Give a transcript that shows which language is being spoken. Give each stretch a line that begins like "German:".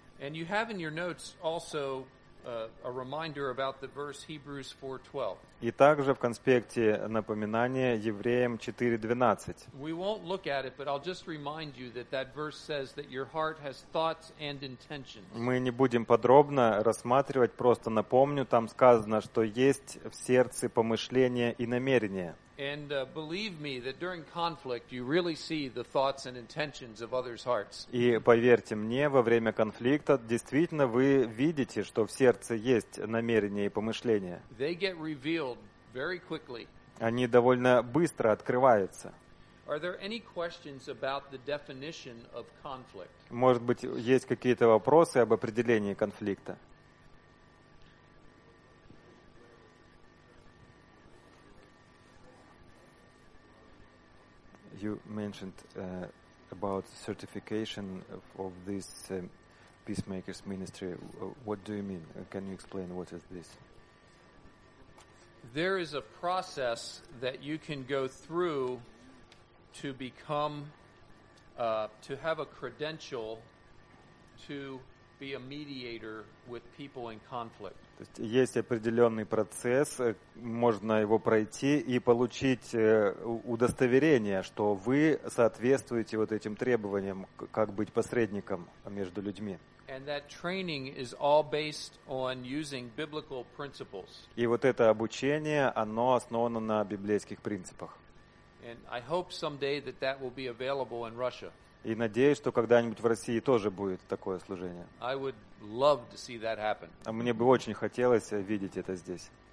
English: And you have in your notes also a reminder about the verse Hebrews 4:12.
Russian: И также в конспекте напоминание Евреям 4:12.
English: We won't look at it, but I'll just remind you that that verse says that your heart has thoughts and intentions.
Russian: Мы не будем подробно рассматривать, просто напомню, там сказано, что есть в сердце помышления и намерения.
English: And believe me that during conflict you really see the thoughts and intentions of others' hearts.
Russian: И поверьте мне, во время конфликта действительно вы видите, что в сердце есть намерения и помышления.
English: They get revealed very quickly.
Russian: Они довольно быстро открываются.
English: Are there any questions about the definition of conflict?
Russian: Может быть, есть какие-то вопросы об определении конфликта?
English: You mentioned about certification of this peacemakers ministry. What do you mean? Can you explain what is this? There is a process that you can go through to become, to have a credential to be a mediator with people in conflict.
Russian: То есть есть определенный процесс, можно его пройти и получить удостоверение, что вы соответствуете вот этим требованиям, как быть посредником между людьми.
English: And that training is all based on using biblical principles.
Russian: И вот это обучение, оно основано на библейских принципах.
English: And I hope someday that that will be available in Russia.
Russian: И надеюсь, что когда-нибудь в России тоже будет такое служение.
English: I would love to see that happen.
Russian: А мне бы очень хотелось видеть это здесь.